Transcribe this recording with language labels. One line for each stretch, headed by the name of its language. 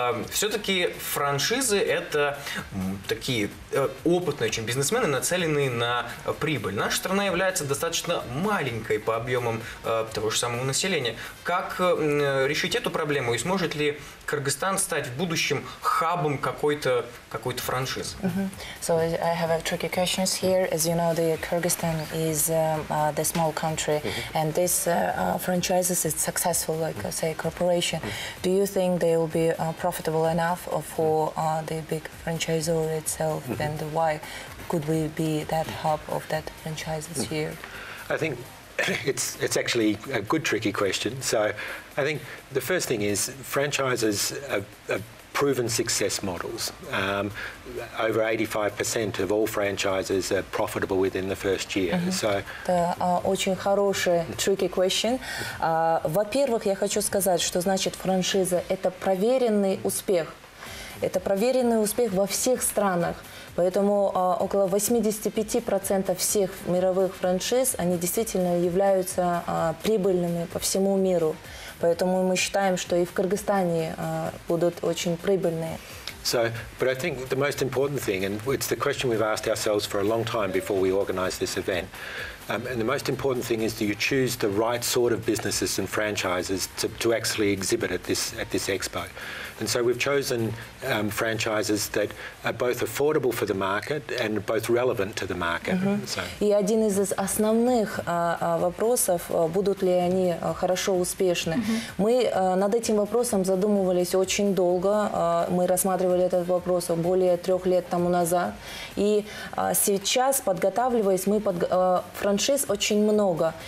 Russian: Все-таки франшизы — это такие опытные очень бизнесмены, нацеленные на прибыль. Наша страна является достаточно маленькой по объемам того же самого населения. Как решить эту проблему и сможет ли Кыргызстан стать в будущем хабом какой-то франшизы?
English: Mm-hmm. So I have a tricky questions here. As you know, the Kyrgyzstan is the small country, mm-hmm. and this franchises is successful, like say corporation. Mm-hmm. Do you think they will be profitable enough for the big franchisor itself, mm-hmm. and why could we be that hub of that franchises mm-hmm. here? I think it's actually a good tricky question. So I think the first thing is franchises are proven success models. Over 85% of all franchises are profitable within the first year. Mm-hmm. So
Russian: это очень хороший
English: tricky question.
Russian: Во-первых, я хочу сказать, что значит франшиза – это проверенный успех. Это проверенный успех во всех странах. Поэтому около 85% всех мировых франшиз, они действительно являются прибыльными по всему миру. Поэтому мы считаем, что и в Кыргызстане будут очень прибыльные.
English: So, but I think the most important thing, and it's the question we've asked ourselves for a long time before we organized this event, and the most important thing is that you choose the right sort of businesses and franchises to actually exhibit at this expo. And so we've chosen franchises that are both affordable for the market and both relevant to the market.
Russian: И один из основных вопросов, будут ли они хорошо успешны. Мы над этим вопросом задумывались очень долго. Мы рассматривали этот вопрос более 3 лет тому назад. И сейчас, подготавливаясь, мы франшиз очень много.